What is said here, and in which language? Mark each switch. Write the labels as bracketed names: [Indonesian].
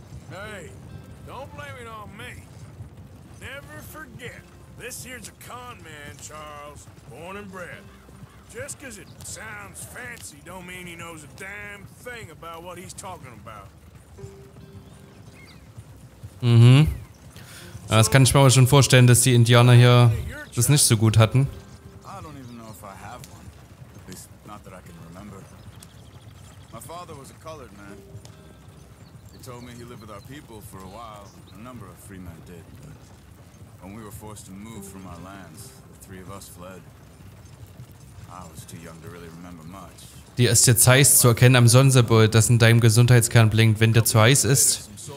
[English] Hey, don't blame it on me. Never forget, this here's a con man, Charles, born and bred. Just because it sounds fancy don't mean he knows a damn thing about what he's talking about. Mhm. [German] Ja, das kann ich mir aber schon vorstellen, dass die Indianer hier das nicht so gut hatten. [English] I don't even know if I have one. At least, not that I can remember. My father was a colored man. He told me he lived with our people for a while. A number of free men did. But when we were forced to move from our lands, the three of us fled. I was too young to really remember much. [German] Dir ist jetzt heiß zu erkennen am Sonnenbild, das in deinem Gesundheitskern blinkt, wenn dir zu heiß ist.